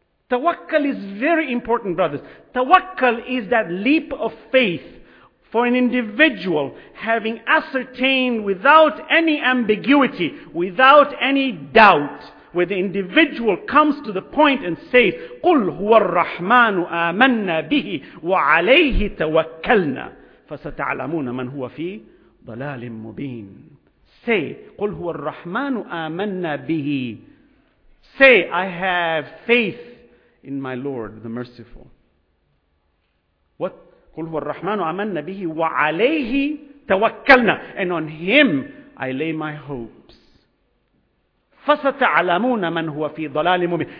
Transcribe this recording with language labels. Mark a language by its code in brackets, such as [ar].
[en] Tawakkal is very important, brothers. Tawakkal is that leap of faith for an individual having ascertained without any ambiguity, without any doubt, where the individual comes to the point and says, [ar] قُلْ هُوَ الرَّحْمَانُ آمَنَّا بِهِ وَعَلَيْهِ تَوَكَّلْنَا فَسَتَعْلَمُونَ مَنْ هُوَ فِي ضَلَالٍ مُبِينٍ. [en] Say, [ar] قُلْ هُوَ الرَّحْمَانُ آمَنَّا بِهِ. [en] Say, I have faith in my Lord, the Merciful. What? [ar] قُلْ هُوَ الرَّحْمَانُ آمَنَّا بِهِ وَعَلَيْهِ تَوَكَّلْنَا. [en] And on Him I lay my hopes. [ar] فَسَتَعْلَمُونَ مَنْ هُوَ فِي ضَلَالٍ مُبِينٍ.